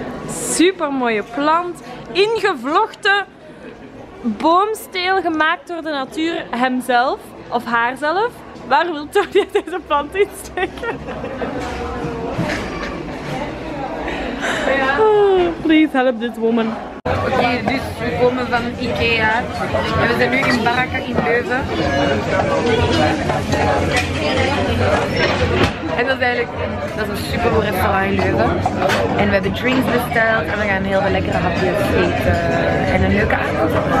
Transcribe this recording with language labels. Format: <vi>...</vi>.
<nl>Super mooie plant. Ingevlochten. Boomsteel gemaakt door de natuur hemzelf of haarzelf. Waar wil Tony deze plant in steken?</nl> <en>Oh, please help this woman.</en> <nl>Oké, dus we komen van IKEA. En we zijn nu in Baraka in Leuven. En dat is eigenlijk een super goed restaurant in Leuven. En we hebben drinks besteld en we gaan heel veel lekkere hapjes eten. En een leuke avond.</nl>